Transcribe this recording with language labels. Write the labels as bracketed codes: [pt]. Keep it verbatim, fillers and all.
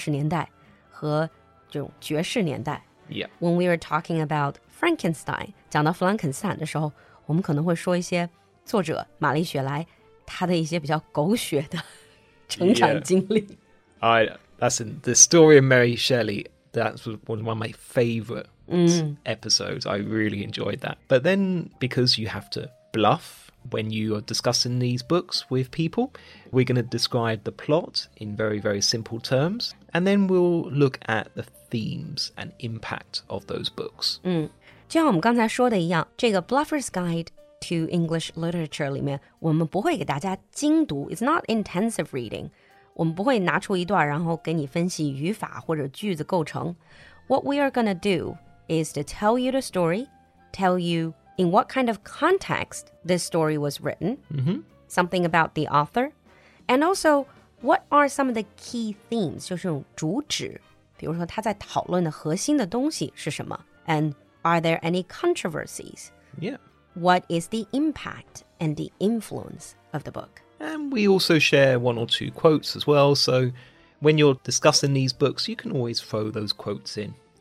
[zh] 比如说说到了不起的盖茨比，我们就会谈到什么叫做咆哮的二十年代和这种爵士年代。 [en] Yeah. When we were talking about Frankenstein， [zh] 讲到弗兰肯斯坦的时候，我们可能会说一些作者玛丽雪莱她的一些比较狗血的成长经历。 [en] I that's in the story of Mary Shelley. That was one of my favourite episodes. I really enjoyed that. But then, because you have to bluff when you are discussing these books with people, we're going to describe the plot in very, very simple terms, and then we'll look at the themes and impact of those books. [zh] 就像我们刚才说的一样，这个 [en] Bluffer's Guide to English Literature [zh] 里面，我们不会给大家精读， [en] it's not intensive reading。 [zh] 我们不会拿出一段，然后给你分析语法或者句子构成。 [en] What we are gonna do is to tell you the story, tell you in what kind of context this story was written, something about the author, and also what are some of the key themes， [zh] 就是这种主旨。比如说他在讨论的核心的东西是什么？ [en] And are there any controversies? Yeah. What is the impact and the influence of the book? And we also share one or two quotes as well. So when you're discussing these books, you can always throw those quotes in.